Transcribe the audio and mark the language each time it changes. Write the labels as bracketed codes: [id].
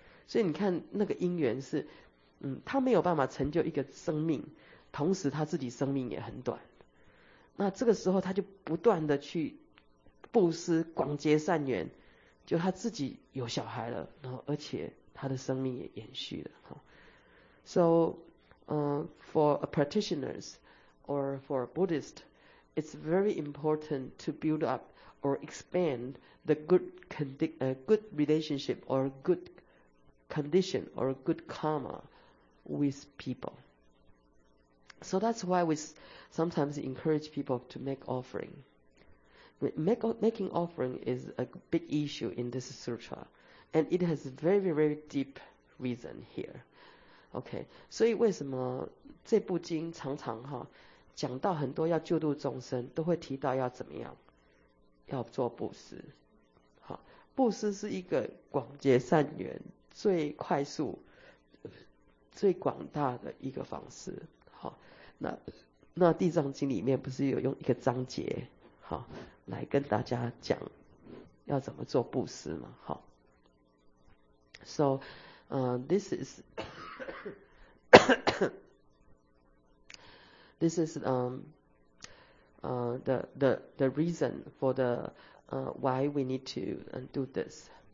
[zh] 所以你看那个因缘是他没有办法成就一个生命，同时他自己生命也很短，那这个时候他就不断的去布施广结善缘，就他自己有小孩了，然后而且他的生命也延续了。 [en] So for a practitioners or for a Buddhist, it's very important to build up or expand the good relationship or goodcondition or good karma with people. So that's why we sometimes encourage people to make offering. Making offering is a big issue in this sutra, and it has very, very deep reason here. [zh] Okay, 所以为什么这部经常常哈讲到很多要救度众生，都会提到要怎么样，要做布施。好，布施是一个广结善缘。最快速最广大的一个方式。好，那地藏经里面不是有用一个章节，好，来跟大家讲要怎么做布施吗？ [en] 好 ，so， this is this is the reason for the why we need to do this.